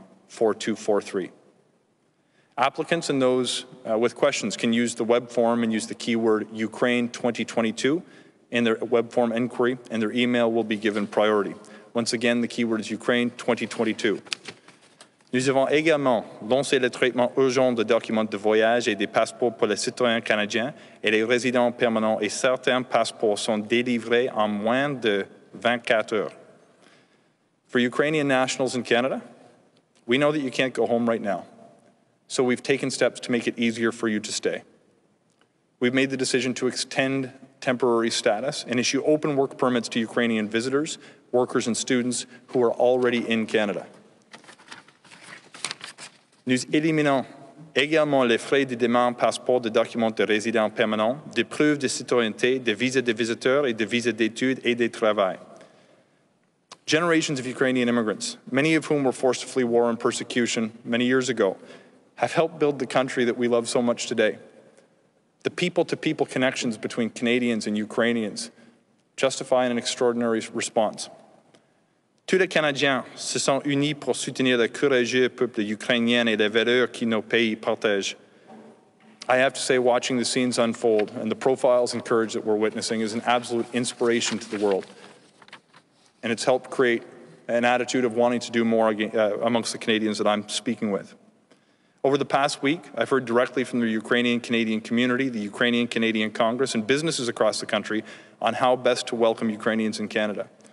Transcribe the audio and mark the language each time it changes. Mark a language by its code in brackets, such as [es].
[en] 613-321-4243. Applicants and those with questions can use the web form and use the keyword Ukraine 2022 in their web form inquiry, and their email will be given priority. Once again, the keyword is Ukraine 2022. [fr] Nous avons également lancé le traitement urgent de documents de voyage et des passeports pour les citoyens canadiens et les résidents permanents, et certains passeports sont délivrés en moins de 24 heures. [en] For Ukrainian nationals in Canada, we know that you can't go home right now, so we've taken steps to make it easier for you to stay. We've made the decision to extend temporary status and issue open work permits to Ukrainian visitors, workers and students who are already in Canada. [fr] Nous éliminons également les frais de demande passeport de documents de résident permanent, de preuves de citoyenneté, de visas de visiteurs et de visas d'études et de travail. [en] Generations of Ukrainian immigrants, many of whom were forced to flee war and persecution many years ago, have helped build the country that we love so much today. The people-to-people connections between Canadians and Ukrainians justify an extraordinary response. [fr] Tous les Canadiens se sont unis pour soutenir le courageux peuple ukrainien et les valeurs que nos pays partagent. [en] I have to say, watching the scenes unfold and the profiles and courage that we're witnessing is an absolute inspiration to the world. And it's helped create an attitude of wanting to do more amongst the Canadians that I'm speaking with. Over the past week, I've heard directly from the Ukrainian-Canadian community, the Ukrainian-Canadian Congress, and businesses across the country on how best to welcome Ukrainians in Canada.